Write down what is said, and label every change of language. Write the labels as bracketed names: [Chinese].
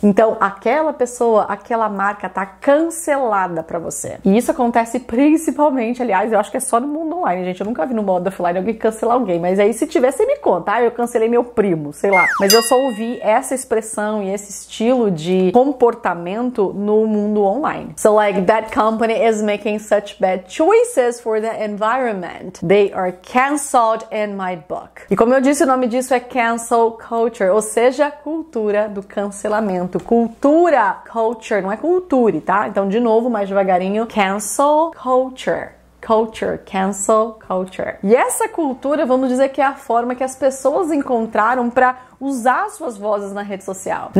[Portuguese] Então aquela pessoa, aquela marca tá cancelada pra você. E isso acontece principalmente, aliás, eu acho que é só no mundo online, gente. Eu nunca vi no modo offline alguém cancelar alguém, mas aí se tiver, você me conta. Tá? Eu cancelei meu primo, sei lá. Mas eu só ouvi essa expressão e esse estilo de comportamento no mundo online. [English] So like, that company is making such bad choices for the environment. They are canceled in my book. [Portuguese] E como eu disse, o nome disso é cancel culture, ou seja, cultura do cancelamento. Cultura, culture, não é culture, tá? Então, de novo, mais devagarinho, cancel culture. Culture, cancel culture. E essa cultura, vamos dizer que é a forma que as pessoas encontraram para usar suas vozes na rede social.